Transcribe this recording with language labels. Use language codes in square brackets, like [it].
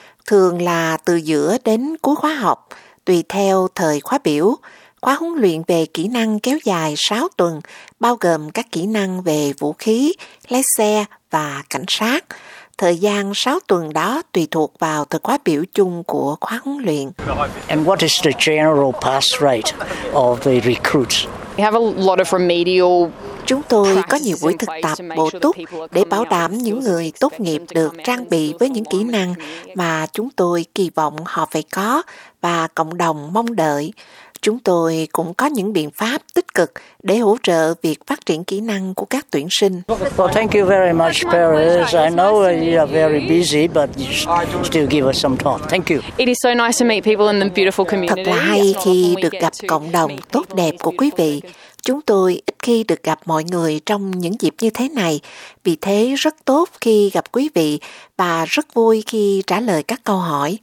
[vi] Thường là từ giữa đến cuối khóa học, tùy theo thời khóa biểu. Khóa huấn luyện về kỹ năng kéo dài 6 tuần, bao gồm các kỹ năng về vũ khí, lái xe và cảnh sát. Thời gian 6 tuần đó tùy thuộc vào thời khóa biểu chung của khóa huấn luyện. [en] And what is the general pass rate of the recruits? We have a lot of remedial [vi] Chúng tôi có nhiều buổi thực tập bổ túc để bảo đảm những người tốt nghiệp được trang bị với những kỹ năng mà chúng tôi kỳ vọng họ phải có và cộng đồng mong đợi. Chúng tôi cũng có những biện pháp tích cực để hỗ trợ việc phát triển kỹ năng của các tuyển sinh. [en] Well, thank you very much, Paris. I know you are very busy, but you still give us some time. Thank you. It is so nice to meet people in the beautiful community. [vi] Thật là hay khi được gặp cộng đồng tốt đẹp của quý vị. Chúng tôi ít khi được gặp mọi người trong những dịp như thế này, vì thế rất tốt khi gặp quý vị và rất vui khi trả lời các câu hỏi.